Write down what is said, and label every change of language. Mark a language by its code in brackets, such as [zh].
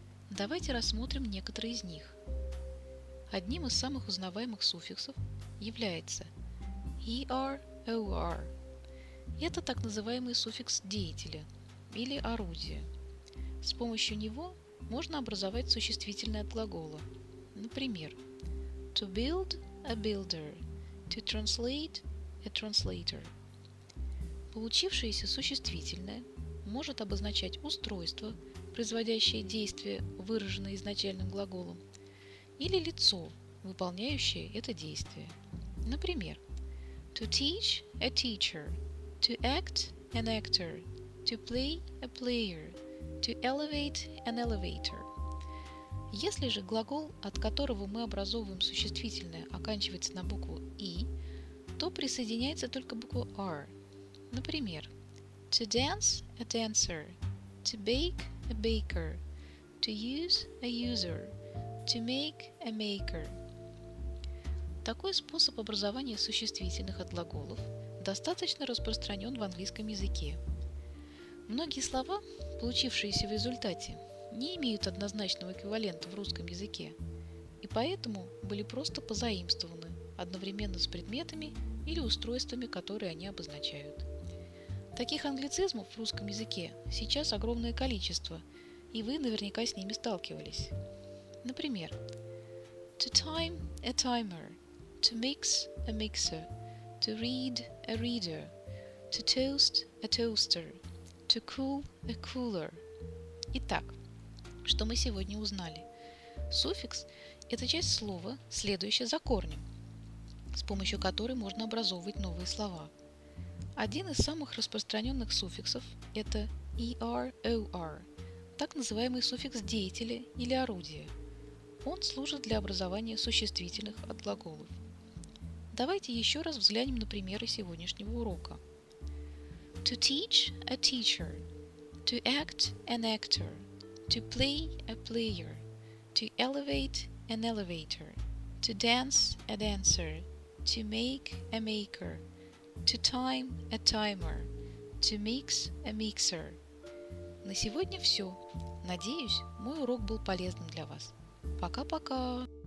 [ru] Давайте рассмотрим некоторые из них. Одним из самых узнаваемых суффиксов является er, or. Это так называемый суффикс деятеля или орудия. С помощью него можно образовать существительное от глагола. Например, [en] to build – a builder, to translate – a translator. [ru] Получившееся существительное может обозначать устройство, производящее действие, выраженное изначальным глаголом, или лицо, выполняющее это действие. Например, [en] to teach – a teacher, to act – an actor, to play – a player, to elevate an elevator. [ru] Если же глагол, от которого мы образовываем существительное, оканчивается на букву «e», то присоединяется только буква «r». Например, [en] to dance – a dancer, to bake – a baker, to use – a user, to make – a maker. [ru] Такой способ образования существительных от глаголов достаточно распространен в английском языке. Многие слова, получившиеся в результате, не имеют однозначного эквивалента в русском языке и поэтому были просто позаимствованы одновременно с предметами или устройствами, которые они обозначают. Таких англицизмов в русском языке сейчас огромное количество, и вы наверняка с ними сталкивались. Например, [en] to time – a timer, to mix – a mixer, to read – a reader, to toast – a toaster, to cool – a cooler. [ru] Итак, что мы сегодня узнали? Суффикс – это часть слова, следующая за корнем, с помощью которой можно образовывать новые слова. Один из самых распространенных суффиксов – это er, or, так называемый суффикс деятеля или орудия. Он служит для образования существительных от глаголов. Давайте еще раз взглянем на примеры сегодняшнего урока. [en] To teach – a teacher, to act – an actor, to play – a player, to elevate – an elevator, to dance – a dancer, to make – a maker, to time – a timer, to mix – a mixer. [ru] На сегодня все. Надеюсь, мой урок был полезным для вас. Пока-пока!